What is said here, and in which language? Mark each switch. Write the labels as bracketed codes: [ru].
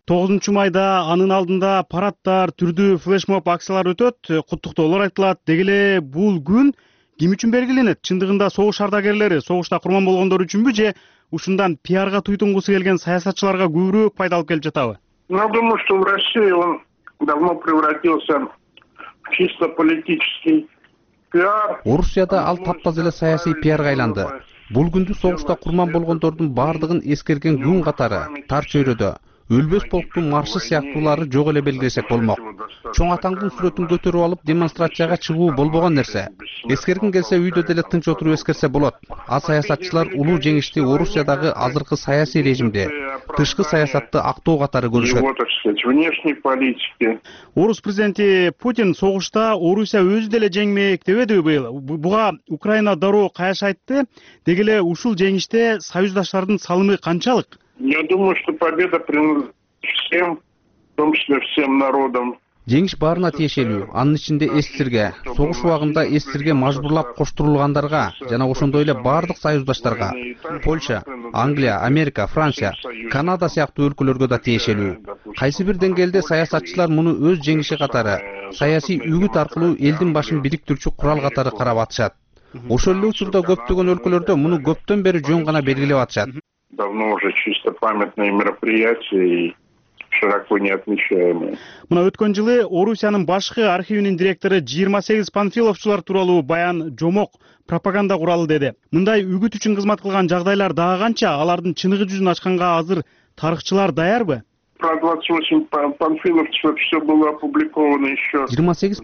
[ky] 9 майда анын алдында параттар, түрдүү флешмоб акциялар өтөт, куттуктоолор айтылат. Деги эле бул күн ким үчүн белгиленет? Чындыгында согуш ардагерлери, согушта курман болгондор үчүнбү же ушундан пиарга туйтунгусу келген саясатчыларга көбүрөөк пайда алып келип жатабы? [ru] Я думаю, что в России он давно превратился в чисто политический пиар. [ky] Орусияда ал таптаз эле саясий пиарга айланды. Бул күндү согушта курман болгондордун баардыгын эскерген күн катары тар чөйрөдө өлбөс полктун маршы сыяктуулары жок эле белгилесек болмок. Чоң атаңдын сүрөтүн көтөрүп алып демонстрацияга чыгуу болбогон нерсе. Эскергиң келсе үйдө деле тынч отуруп эскерсе болот. Ал саясатчылар улуу жеңишти Орусиядагы азыркы саясий режимди, тышкы саясатты актоо катары көрүшөт. Орус президенти Путин согушта Орусия өзү деле жеңмек дебеди быйыл? Буга Украина дароо каяш айтты. Деги эле ушул жеңиште союздаштардын салымы канчалык? [ru] Я думаю, что победа принадлежит всем, в том числе всем народам. [ky] Жеңиш баарына тиешелүү, анын ичинде эстерге, согуш убагында эстерге мажбурлап коштурулгандарга жана ошондой эле баардык союздаштарга, Польша, Англия, Америка, Франция, Канада сыяктуу өлкөлөргө да тиешелүү. Кайсы бир деңгээлде саясатчылар муну өз жеңиши катары, саясий үгүт аркылуу элдин башын бириктирүүчү курал катары карап атышат. Ошол эле учурда көптөгөн өлкөлөрдө муну көптөн бери жөн гана белгилеп атышат. [ru] Давно уже чисто памятные мероприятия и широко не отмечаемые. [ky] Мына өткөн жылы Орусиянын башкы архивинин директору 28 панфиловчулар тууралуу баян жомок пропаганда куралы деди. Мындай үгүт үчүн кызмат кылган жагдайлар дагы канча? Алардын чыныгы жүзүн ачканга азыр тарыхчылар даярбы? 28